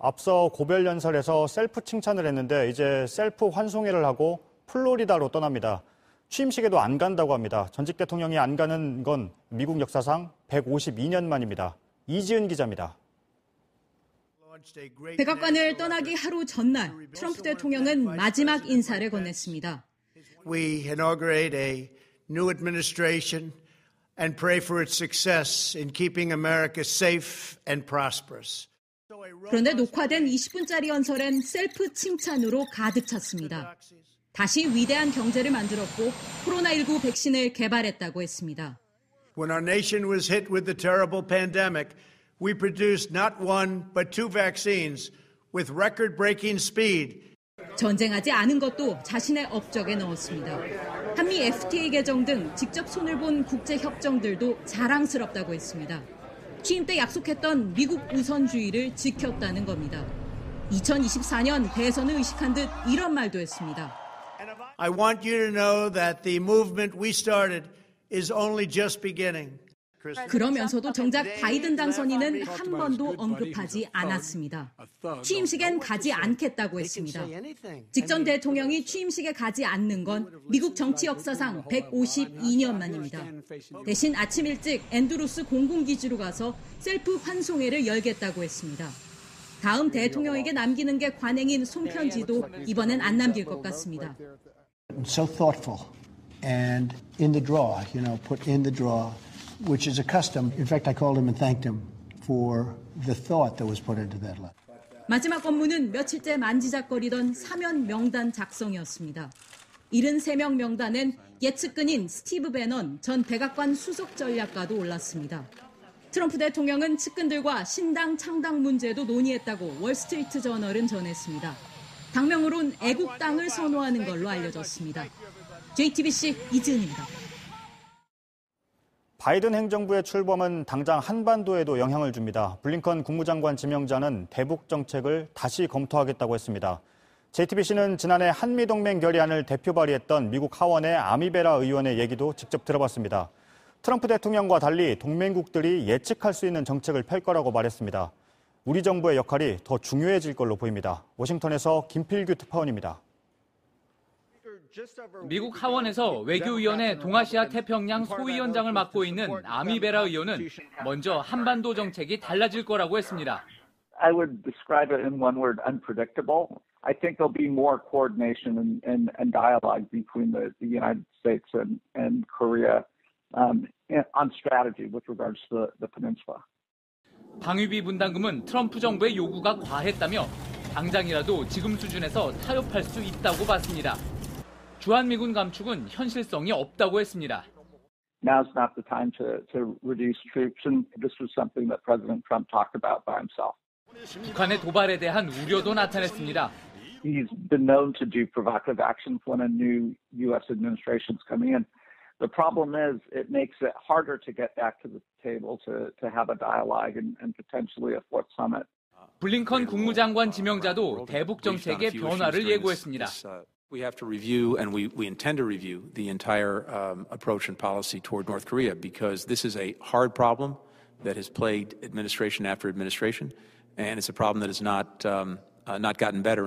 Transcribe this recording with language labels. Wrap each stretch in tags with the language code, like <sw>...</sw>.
<ko>앞서 고별 연설에서 셀프 칭찬을 했는데 이제 셀프 환송회를 하고 플로리다로 떠납니다. 취임식에도 안 간다고 합니다. 전직 대통령이 안 가는 건 미국 역사상 152년 만입니다. 이지은 기자입니다. 백악관을 떠나기 하루 전날 트럼프 대통령은 마지막 인사를 건넸습니다.</ko> <en>We inaugurate a new administration and pray for its success in keeping America safe and prosperous.</en> <ko>그런데 녹화된 20분짜리 연설엔 셀프 칭찬으로 가득 찼습니다. 다시 위대한 경제를 만들었고 코로나19 백신을 개발했다고 했습니다.</ko> <en>When our nation was hit with the terrible pandemic, we produced not one but two vaccines with record-breaking speed.</en> <ko>전쟁하지 않은 것도 자신의 업적에 넣었습니다. 한미 FTA 개정 등 직접 손을 본 국제 협정들도 자랑스럽다고 했습니다. 취임 때 약속했던 미국 우선주의를 지켰다는 겁니다. 2024년 대선을 의식한 듯 이런 말도 했습니다.</ko> <en>I want you to know that the movement we started is only just beginning.</en> <ko>그러면서도 정작 바이든 당선인은 한 번도 언급하지 않았습니다. 취임식엔 가지 않겠다고 했습니다. 직전 대통령이 취임식에 가지 않는 건 미국 정치 역사상 152년 만입니다. 대신 아침 일찍 앤드루스 공군기지로 가서 셀프 환송회를 열겠다고 했습니다. 다음 대통령에게 남기는 게 관행인 손편지도 이번엔 안 남길 것 같습니다.</ko> <en>So thoughtful and in the draw, you know, put in the draw. Which is a custom. In fact, I called him and thanked him for the thought that was put into that letter.</en> <ko>마지막 업무는 며칠째 만지작거리던 사면 명단 작성이었습니다. 73명 명단엔 예측근인 스티브 배넌 전 백악관 수석 전략가도 올랐습니다. 트럼프 대통령은 측근들과 신당 창당 문제도 논의했다고 월스트리트 저널은 전했습니다. 당명으론 애국당을 선호하는 걸로 알려졌습니다. JTBC 이지은입니다. 바이든 행정부의 출범은 당장 한반도에도 영향을 줍니다. 블링컨 국무장관 지명자는 대북 정책을 다시 검토하겠다고 했습니다. JTBC는 지난해 한미동맹 결의안을 대표 발의했던 미국 하원의 아미베라 의원의 얘기도 직접 들어봤습니다. 트럼프 대통령과 달리 동맹국들이 예측할 수 있는 정책을 펼 거라고 말했습니다. 우리 정부의 역할이 더 중요해질 걸로 보입니다. 워싱턴에서 김필규 특파원입니다. 미국 하원에서 외교위원회 동아시아 태평양 소위원장을 맡고 있는 아미베라 의원은 먼저 한반도 정책이 달라질 거라고 했습니다.</ko> <en>I would describe it in one word, unpredictable. I think there'll be more coordination and dialogue between the United States and Korea on strategy with regards to the peninsula.</en> <ko>방위비 분담금은 트럼프 정부의 요구가 과했다며 당장이라도 지금 수준에서 타협할 수 있다고 봤습니다. 주한미군 감축은 현실성이 없다고 했습니다.</ko> <en>Now's not the time to reduce troops, and this was something that President Trump talked about by himself.</en> <ko>북한의 도발에 대한 우려도 나타냈습니다.</ko> <en>He's been known to do provocative actions when a new U.S. administration's coming in. The problem is it makes it harder to get back to the table to have a dialogue and potentially a fourth summit.</en> <ko>블링컨 국무장관 지명자도 대북 정책의 변화를 예고했습니다.</ko> <en>We have to review and we intend to review the entire approach and policy toward North Korea because this is a hard problem that has plagued administration after administration and it's a problem that has not gotten better.</en>